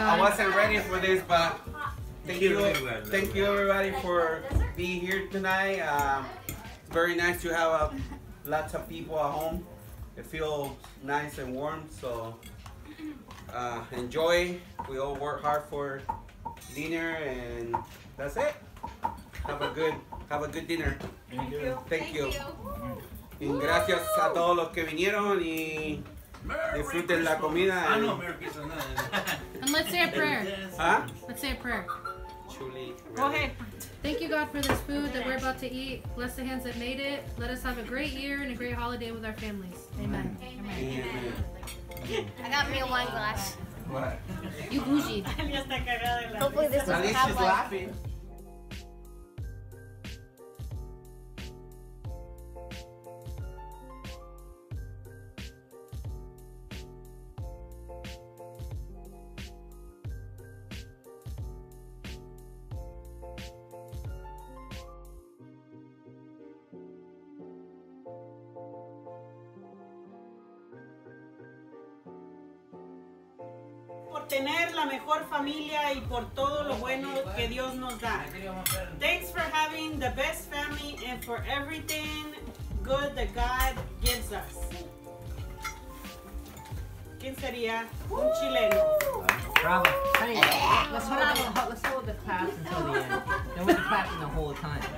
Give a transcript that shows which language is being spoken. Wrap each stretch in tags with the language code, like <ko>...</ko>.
<en>I wasn't ready for this, but thank you everybody for being here tonight. It's very nice to have lots of people at home. It feels nice and warm, so... enjoy. We all work hard for dinner, and that's it. Have a good dinner. Thank you.</en> <es>Y gracias a todos los que vinieron y disfruten la comida.</es> <en>Ah, no, Merry Christmas. And let's say a prayer. Huh? Let's say a prayer. Truly. Go ahead. Thank you, God, for this food that we're about to eat. Bless the hands that made it. Let us have a great year and a great holiday with our families. Amen. Amen. Amen. Amen. I got me a wine glass. What? You bougie. Hopefully this doesn't happen. At least she's laughing.</en> <es>Tener la mejor familia y por todo lo bueno que Dios nos da.</es> <en>Thanks for having the best family and for everything good that God gives us.</en> <es>¿Quién sería? Un chileno.</es> <en>Bravo. Let's hold the clap until the end. Then we can clap the whole time.</en>